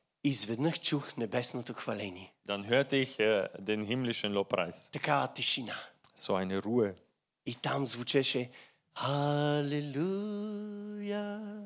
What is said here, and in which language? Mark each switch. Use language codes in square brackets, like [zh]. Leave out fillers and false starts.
[bg] изведнъж чух небесното хваление. [de] Dann hörte ich den himmlischen Lobpreis. [bg] Така тишина. [de] So eine Ruhe. [bg] И там звучеше Halleluja.